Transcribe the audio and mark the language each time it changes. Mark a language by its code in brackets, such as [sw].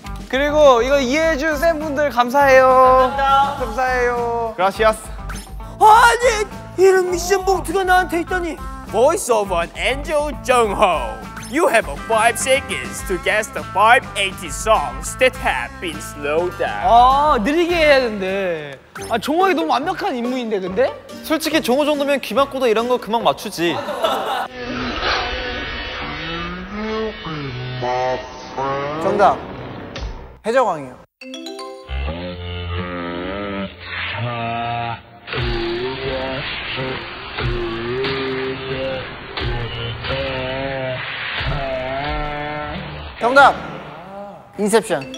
[ko] 그리고 이거 이해해준 팬분들 감사해요 감사합니다 감사해요 [es] Gracias [ko] 아니 이런 미션 봉투가 나한테 있다니 [en] Voice of an angel Jung Ho You have 5 seconds to guess the 5 ATEEZ songs that have been slowed down [ko] 아 느리게 해야 되는데 아 종호에게 너무 완벽한 임무인데 근데? 솔직히 종호 정도면 귀만 꼬도 이런 거 금방 맞추지 정답 해적왕이요 정답! 인셉션